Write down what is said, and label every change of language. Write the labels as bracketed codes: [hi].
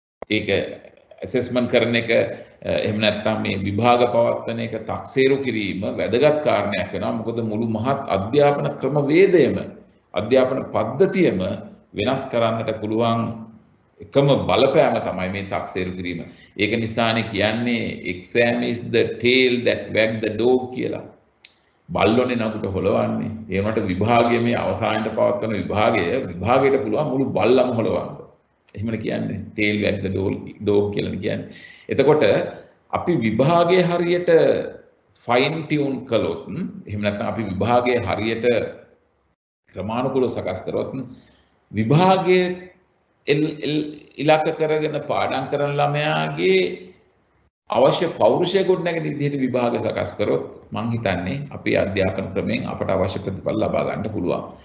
[si] ඒක ඇසෙස්මන්ට් කරන එක එහෙම නැත්නම් මේ විභාග පවත්වන එක තක්සේරු කිරීම වැදගත් කාරණයක් වෙනවා. මොකද මුළු මහත් අධ්‍යාපන ක්‍රමවේදයම අධ්‍යාපන පද්ධතියම වෙනස් කරන්නට පුළුවන් එකම බලපෑම තමයි මේ තක්සේරු කිරීම. ඒක නිසානේ කියන්නේ [en] exam is the tail that wag the dog [si] කියලා. බල්ලොනේ නකුට හොලවන්නේ. ඒ වට විභාගයේ මේ අවසානයේ පවත්වන විභාගය විභාගයට පුළුවන් මුළු බල්ලම හොලවන්න. එහෙමන කියන්නේ [en] tail wag the dog [si] කියලා කියන්නේ. එතකොට අපි විභාගයේ හරියට fine tune කළොත් එහෙම නැත්නම් අපි විභාගයේ හරියට ක්‍රමානුකූලව සකස් කරොත් විභාගයේ ඉලක්ක කරගෙන පාඩම් කරන ළමයාගේ අවශ්‍ය පෞරුෂය ගොඩනගන විදිහට විභාග සකස් කරොත් මම හිතන්නේ අපි අධ්‍යාපන ක්‍රමෙන් අපට අවශ්‍ය ප්‍රතිඵල ලබා ගන්න පුළුවන්.